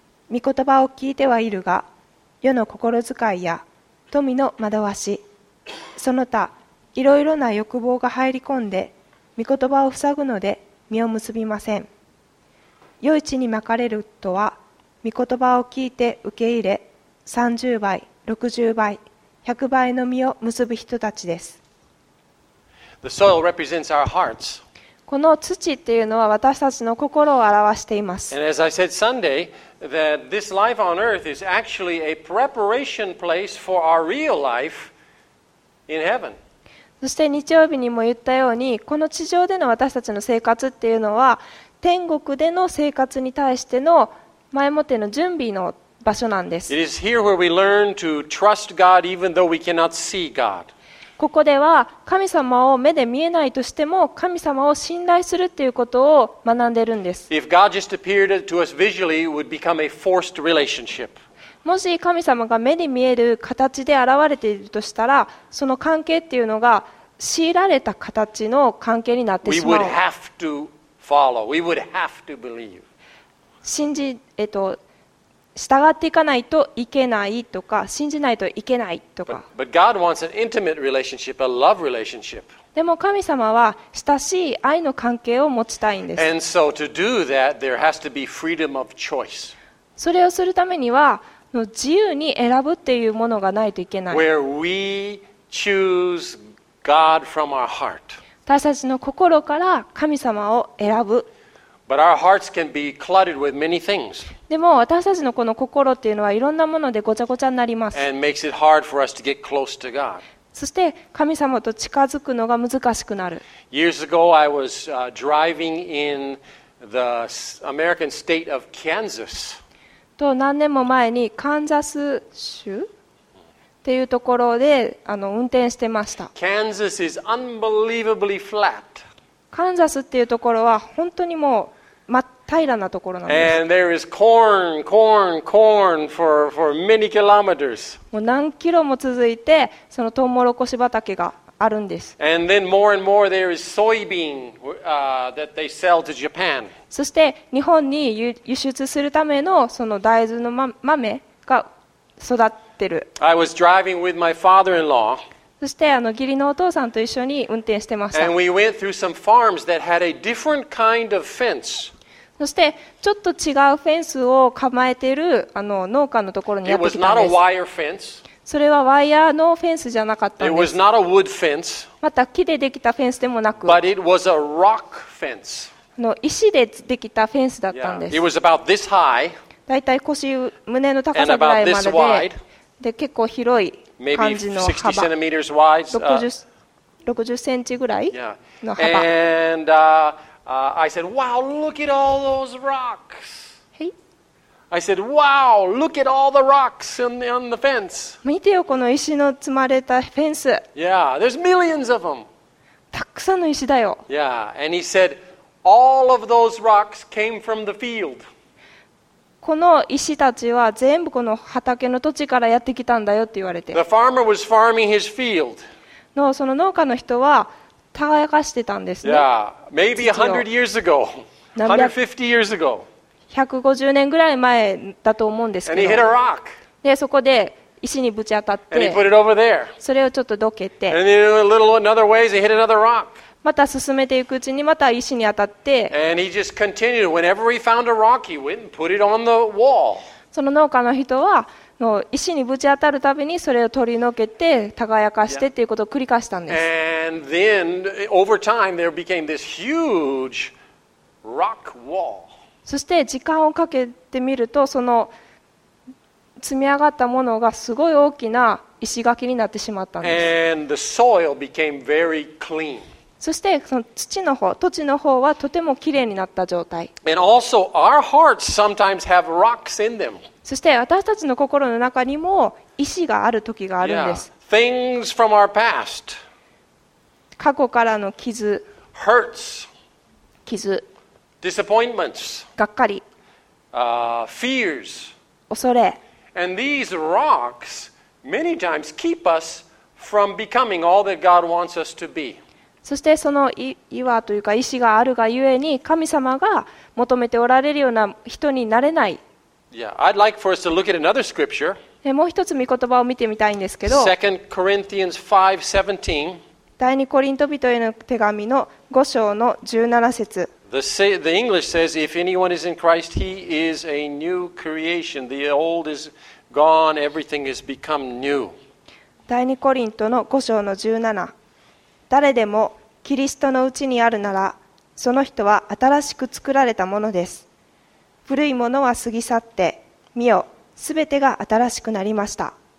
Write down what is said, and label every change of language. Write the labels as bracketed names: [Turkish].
[Japanese] 御言葉を聞いてはいるが世の心遣いや富の惑わしその他いろいろな欲望が入り込んで御言葉を塞ぐので実を結びません。良い地にまかれるとは御言葉を聞いて受け入れ30倍、60倍、100倍の実を結ぶ人たちです。 [English] The soil represents our hearts. [Japanese] この土っていうのは私たちの心を表しています。 [English] And as I said Sunday, that this life on earth is actually a preparation place for our real life. In heaven. [Japanese] そして日曜日にも言ったようにこの地上での私たちの生活っていうのは天国での生活に対しての前もっての準備の場所なんです。 [English] It is here where we learn to trust God even though we cannot see God. [Japanese] ここでは神様を目で見えないとしても神様を信頼するっていうことを学んでるんです。 [English] If God just appeared to us visually, it would become a forced relationship. [Japanese] もし神様が目に見える形で現れているとしたらその関係っていうのが強いられた形の関係になってしまう。 [English] We would have to follow. We would have to believe. [Japanese] 信じ、従っていかないといけないとか信じないといけないとか。 [English] But God wants an intimate relationship, a love relationship. [Japanese] でも神様は親しい愛の関係を持ちたいんです。 [English] And so to do that, there has to be freedom of choice. [Japanese] それをするためには自由に選ぶっていうものがないといけない。 [English] Where we choose God from our heart. [Japanese] 私たちの心から神様を選ぶ。 [English] But our hearts can be cluttered with many things. [Japanese] でも私たちのこの心っていうのはいろんなものでごちゃごちゃになります。 [English] And makes it hard for us to get close to God. [Japanese] そして神様と近づくのが難しくなる。 [English] Years ago, I was driving in the American state of Kansas. [Japanese] と何年も前にカンザス州っていうところで運転してました。 [English] カンザス is unbelievably flat. [Japanese] カンザスっていうところは本当にもう真っ平らなところなんです。 [English] And there is corn, corn, corn for many kilometers. [Japanese] もう何キロも続いてそのトウモロコシ畑があるんです。 [English] And then more and more there is soybean, that they sell to Japan. [Japanese] そして日本に輸出するため の, その大豆の豆が育ってる。 [English] I was driving with my father-in-law. [Japanese] そして義理のお父さんと一緒に運転してました。 [English] And we went through some farms that had a different kind of fence. [Japanese] そしてちょっと違うフェンスを構えているあの農家のところにやってきたんです。 [English] It was not a wire fence. [Japanese] それはワイヤーのフェンスじゃなかったんです。 [English] It was not a wood fence. [Japanese] また木でできたフェンスでもなく、 [English] But it was a rock fence. [Japanese] あの石でできたフェンスだったんです。 [English] Yeah. It was about this high. [Japanese] だいたい腰胸の高さぐらいまでで、 で結構広い感じの幅、 [English] 60 centimeters wide. [Japanese] 60センチぐらいの幅。 [English] Yeah. And, I said, wow, look at all those rocks. Hey. I said, wow, look at all the rocks on the fence. [Japanese] 見てよこの石の積まれたフェンス。 [English] Yeah, there's millions of them. [Japanese] たくさんの石だよ。 [English] Yeah, and he said, all of those rocks came from the field. [Japanese] この石たちは全部この畑の土地からやってきたんだよって言われて。 [English] The farmer was farming his field. [Japanese] のその農家の人は耕してたんですね。 [English] Maybe 100 years ago, 150 years ago. [Japanese] 150年ぐらい前だと思うんですけど。 [English] And he hit a rock. [Japanese] でそこで石にぶち当たって。 [English] And he put it over there. [Japanese] それをちょっとどけて。 [English] And in a little another ways, he hit another rock. [Japanese] また進めていくうちにまた石に当たって。 [English] And he just continued. Whenever he found a rock, he went and put it on the wall. [Japanese] その農家の人は石にぶち当たるたびにそれを取り除けて耕かしてっていうことを繰り返したんです。 [English] And then, over time, there became this huge rock wall. [Japanese] そして時間をかけてみるとその積み上がったものがすごい大きな石垣になってしまったんです。 [English] And the soil became very clean. [Japanese] そしてその土の方、土地の方はとてもきれいになった状態。 [English] And also, our hearts sometimes have rocks in them. [Japanese] そして私たちの心の中にも石がある時があるんです。 [English] Yeah. Things from our past. [Japanese] 過去からの傷。 [English] Hurts. [Japanese] 傷。 [English] Disappointments. [Japanese] がっかり。 [English] Fears. [Japanese] 恐れ。 [English] And these rocks many times keep us from becoming all that God wants us to be. [Japanese] そしてその岩というか石があるがゆえに神様が求めておられるような人になれない。 [English] Yeah, I'd like for us to look at another scripture. [Japanese] もう一つ御言葉を見てみたいんですけど。 [English] 2 Corinthians 5:17. [Japanese] 第二コリント人への手紙の5章の17節。 [English] The English says, "If anyone is in Christ, he is a new creation. The old is gone. Everything has become new." [Japanese] 第二コリントの5章の17。誰でもキリストのうちにあるなら、その人は新しく作られたものです。古いものは過ぎ去って、見よ、すべてが新しくなりました。